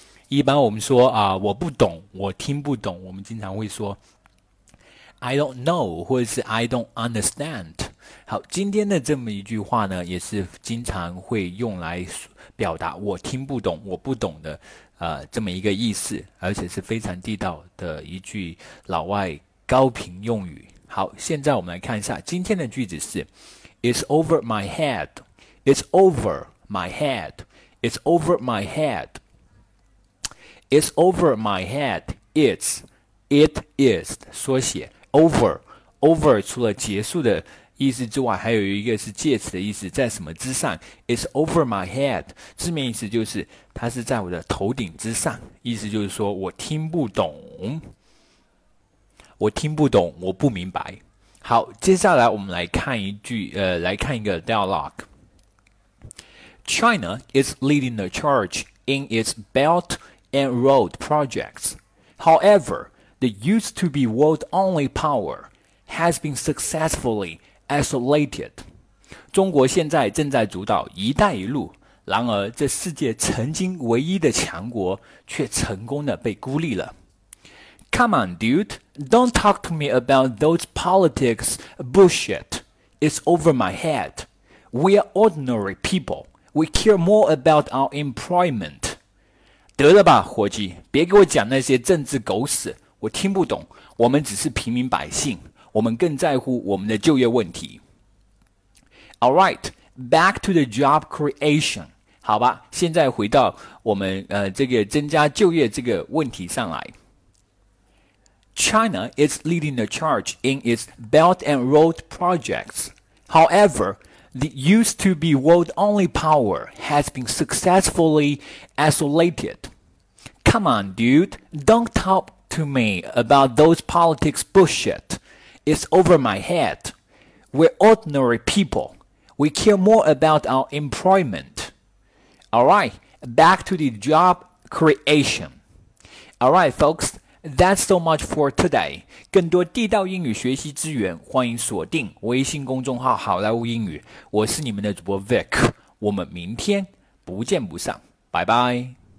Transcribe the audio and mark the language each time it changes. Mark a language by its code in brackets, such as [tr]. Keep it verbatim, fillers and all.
[zh] 一般我们说啊，我不懂，我听不懂，我们经常会说 [en] I don't know [zh] 或者是 [en] I don't understand。 [zh] 好，今天的这么一句话呢，也是经常会用来表达我听不懂，我不懂的呃，这么一个意思，而且是非常地道的一句老外高频用语。好，现在我们来看一下今天的句子是 [en] It's over my head It's over my head It's over my head It's over my head. It's, it is [zh] 缩写 over over 除了结束的意思之外，还有一个是介词的意思，在什么之上。 [en] It's over my head [zh] 字面意思就是它是在我的头顶之上，意思就是说我听不懂，我听不懂，我不明白。好，接下来我们来看一句呃，来看一个 dialogue。 [en] China is leading the charge in its belt and road projects. However, the used to be world-only power has been successfully isolated. [zh] 中国现在正在主导一带一路，然而这世界曾经唯一的强国却成功的被孤立了。 [en] Come on, dude, don't talk to me about those politics bullshit. It's over my head. We are ordinary people. We care more about our employment. [zh] 得了吧，伙计，别给我讲那些政治狗屎，我听不懂。我们只是平民百姓，我们更在乎我们的就业问题。 [en] All right, back to the job creation. [zh] 好吧，现在回到我们呃这个增加就业这个问题上来。 [en] China is leading the charge in its Belt and Road projects. However,The used-to-be world-only power has been successfully isolated. Come on, dude, don't talk to me about those politics bullshit. It's over my head. We're ordinary people. We care more about our employment. All right, back to the job creation. All right, folks, that's so much for today. [zh] 更多地道英语学习资源，欢迎锁定微信公众号好莱坞英语。我是你们的主播 Vic， 我们明天不见不散，拜拜。